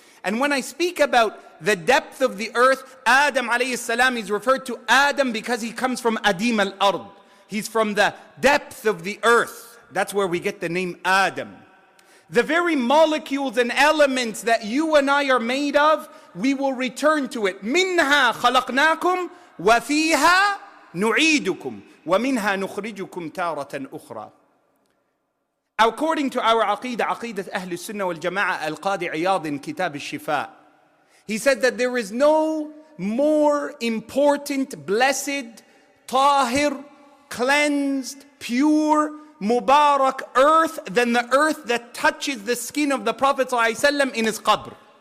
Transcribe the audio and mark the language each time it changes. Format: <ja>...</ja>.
<en>And when I speak about the depth of the earth, Adam alayhi salam is referred to Adam because he comes from Adim al-Ard. He's from the depth of the earth. That's where we get the name Adam. The very molecules and elements that you and I are made of, we will return to it.</en> <ar>Minha khalaqnakum wa fiha نُعِيدُكُمْ وَمِنْهَا نُخْرِجُكُمْ تَارَةً أُخْرَى.</ar> <en>According to our aqidah, aqidah Ahlul Sunnah wal Jama'ah, Al-Qadi Iyad in Kitab al-Shifa, he said that there is no more important, blessed, tahir, cleansed, pure, mubarak earth than the earth that touches the skin of the Prophet ﷺ in his qabr.</en>